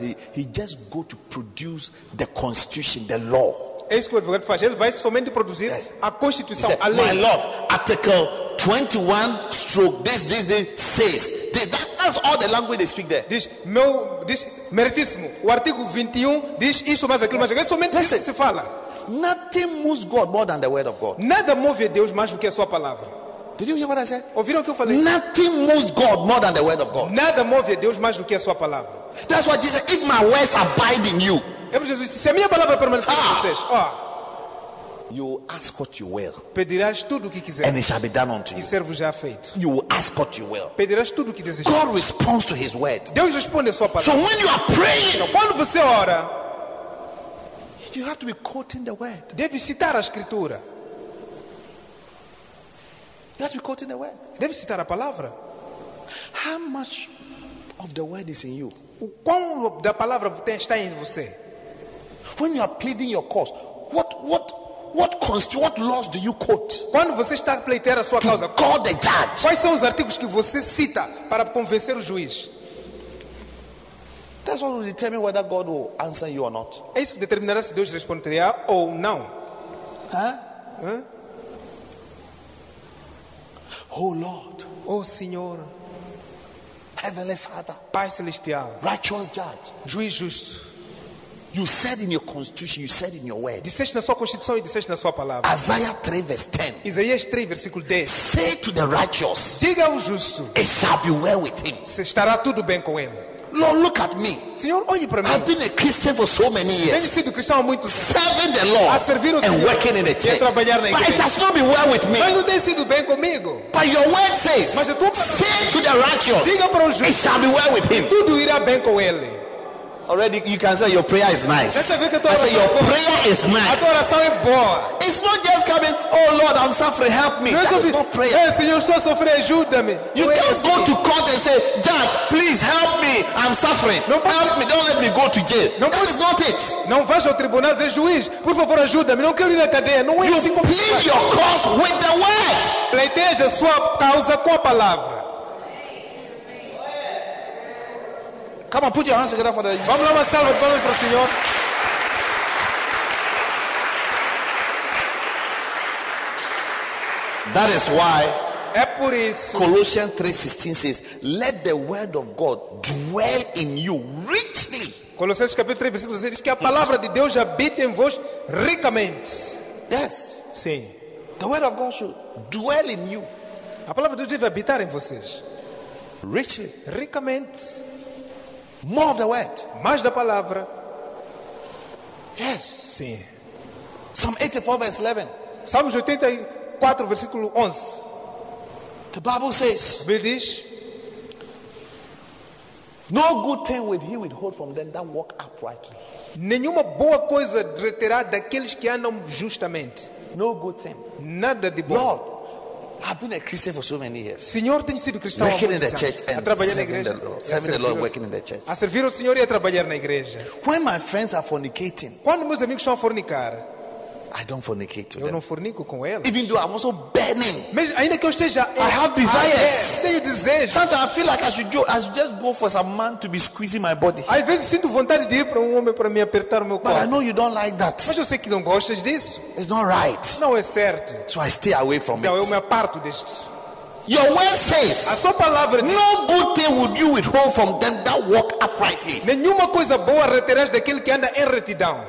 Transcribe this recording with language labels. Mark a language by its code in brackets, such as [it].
[en] He just go to produce the constitution, the law. [pt] É isso que o advogado faz. Ele vai somente produzir yes. a constituição, [en] said, [pt] a lei. [en] My Lord, article 21 stroke this says this, that's all the language they speak there. [pt] Diz meu diz meritíssimo o artigo 21 diz isso mais aquilo mais aquilo. Somente isso se fala. [en] Nothing moves God more than the word of God. [pt] Nada move Deus mais do que a sua palavra. [en] Did you hear what I said? [pt] Ouviram o que eu falei? [en] Nothing moves God more than the word of God. [pt] Nada move Deus mais do que a sua palavra. [en] That's why Jesus, if my words abide in you, [pt] Jesus, se a minha palavra permanecer em vocês, [en] you will ask what you will. [pt] Pedirás tudo o que quiser. [en] And it shall be done unto you. [pt] E servo já feito. [en] You will ask what you will. [pt] Pedirás tudo o que desejar. [en] God responds to his word. [pt] Deus responde à sua palavra. [en] So when you are praying, [pt] quando você ora, [en] you have to be quoting the word. [pt] Deve citar a escritura. [en] You have to be quoting the word. [pt] Deve citar a palavra. [en] How much of the word is in you? [pt] O quão da palavra está em você? [en] When you are pleading your cause, what laws do you quote? [pt] Quando você está a pleitear a sua causa, [en] call the judge. [pt] Quais são os artigos que você cita para convencer o juiz? [en] That's what will determine whether God will answer you or not. [pt] É isso que determinará se Deus responderá ou não. [en] Oh Lord. [pt] Oh Senhor. [en] Heavenly Father. [pt] Pai celestial. [en] Righteous judge. [pt] Juiz justo. [en] You said in your constitution, you said in your word. [pt] Disseste na sua constituição e disseste na sua palavra. [en] Isaiah 3 verse 10. [pt] Isaías 3 versículo 10. [en] Say to the righteous. [pt] Diga ao justo. [en] It shall be well with him. [pt] Se estará tudo bem com ele. [en] Lord, look at me. [pt] Senhor, olhe para mim. [en] I've been a Christian for so many years. [pt] Tenho sido cristão há muito tempo. [en] Serving the Lord. [pt] A servir o Senhor. [en] And working in the church. [pt] E a trabalhar na igreja. [en] But it has not been well with me. [pt] Mas não tem sido bem comigo. [en] But your word says. [pt] Mas a tua palavra. [en] Say to the righteous. [pt] Diga para o justo. [en] It shall be well with him. [pt] Tudo irá bem com ele. [en] Already you can say your prayer is nice. I say your prayer is nice. It's not just coming, oh Lord, I'm suffering, help me. That is not prayer. [pt] Senhor, estou sofrendo, ajuda-me. [en] You can't go to court and say, judge, please help me, I'm suffering. Help me, don't let me go to jail. That is not it. [pt] Não vá ao tribunal dizer, juiz, por favor, ajuda-me, não quero ir na cadeia. Não é assim. [en] You plead your cause with the word. [pt] Pleiteja sua causa com a palavra. [en] Come on, put your hands together for the. [pt] Vamos lá, uma salva de palmas para o Senhor. [en] That is why. [pt] É por isso. [en] Colossians 3:16 says, "Let the word of God dwell in you richly." [pt] Colossenses capítulo 3 versículo 16 diz que a palavra de Deus habita em vós ricamente. [en] Yes. [pt] Sim. [en] The word of God should dwell in you. [pt] A palavra de Deus deve habitar em vocês. [en] richly, [pt] ricamente, [en] more of the word, [pt] mais da palavra. [en] Yes, [pt] sim. [en] Psalm 84 verse 11. [pt] Salmos 84 versículo 11. [en] The Bible says, [pt] a Bíblia diz, [en] no good thing will he withhold from them that walk uprightly. [pt] Nenhuma boa coisa reterá daqueles que andam justamente. [en] No good thing. [pt] Nada de bom. [en] Lord, I've been a Christian for so many years. [pt] Senhor, tenho sido cristão [en] working [pt] há muitos [en] in the [pt] anos. [en] Church and serving the Lord, working in the church. [pt] A servir ao Senhor e a trabalhar na igreja. [en] When my friends are fornicating, [pt] quando meus amigos estão a fornicar, [en] I don't fornicate to [pt] eu [en] them. [pt] Não fornico com eles. [en] Even though I'm also burning, [pt] mas ainda que eu esteja, [en] I have desires. [pt] Tenho desejos. [en] Sometimes I feel like I should just go for some man to be squeezing my body. [pt] Às vezes sinto vontade de ir para homem para me apertar o meu corpo. [en] But I know you don't like that. [pt] Mas eu sei que não gostas disso. [en] It's not right. [pt] Não é certo. [en] So I stay away from [pt] então, [en] it. [pt] Eu me aparto disso. [en] Your word says, [pt] a sua palavra, [en] no good thing would you withhold from them that walk uprightly. [pt] Nenhuma coisa boa reterás daquele que anda em retidão.